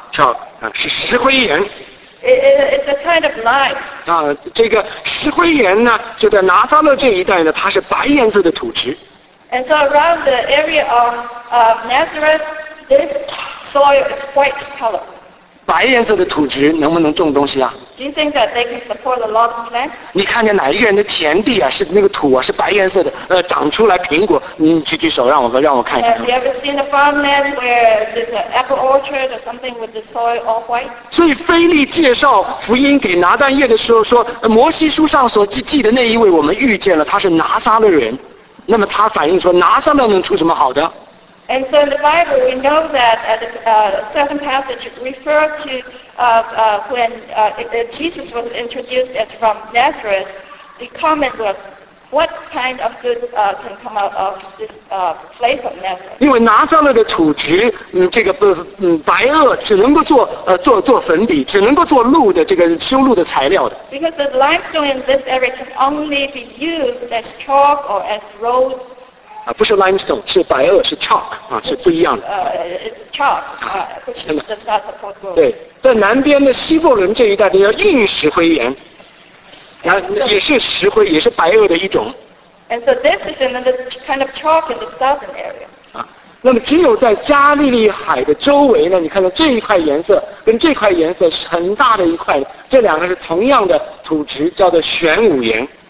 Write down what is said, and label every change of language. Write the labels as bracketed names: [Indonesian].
[Chinese] Chalk 啊，是石灰岩。 [English] It's a kind of lime. [Chinese] 啊，这个石灰岩呢，就在拿撒勒这一带呢，它是白颜色的土质。 [English] And so around the area of Nazareth, this soil is white color. [Chinese] 白颜色的土质能不能种东西啊？ [English] Do you think that they can support a lot of plants? [Chinese] 你看见哪一个人的田地啊，是那个土啊，是白颜色的，长出来苹果，你举手让我看一看。 [English] Have you ever seen a farmland where there's an apple orchard or something with the soil all white? [Chinese] 所以腓力介绍福音给拿但业的时候说，摩西书上所记的那一位我们遇见了，他是拿撒勒人，那么他反映说拿撒勒能出什么好的？ [English] And so in the Bible, we know that at a certain passage referred to when Jesus was introduced as from Nazareth, the comment was, what kind of good can come out of this place of Nazareth? [Chinese] 因为拿撒勒的土质，这个白垩，只能够做粉笔，只能够做路的这个修路的材料的。 [English] Because the limestone in this area can only be used as chalk or as road. [Chinese] 啊、不是 limestone， 是白垩，是 chalk、啊、是不一样的。 [English] It's chalk， which does not support growth。 [Chinese] 对，在南边的西伯伦这一带的叫硬石灰岩，也是石灰，也是白垩的一种。 [English] And so this is another kind of chalk in the southern area。 [Chinese] 那么只有在加利利海的周围呢，你看到这一块颜色跟这块颜色是很大的一块，这两个是同样的土质，叫做玄武岩。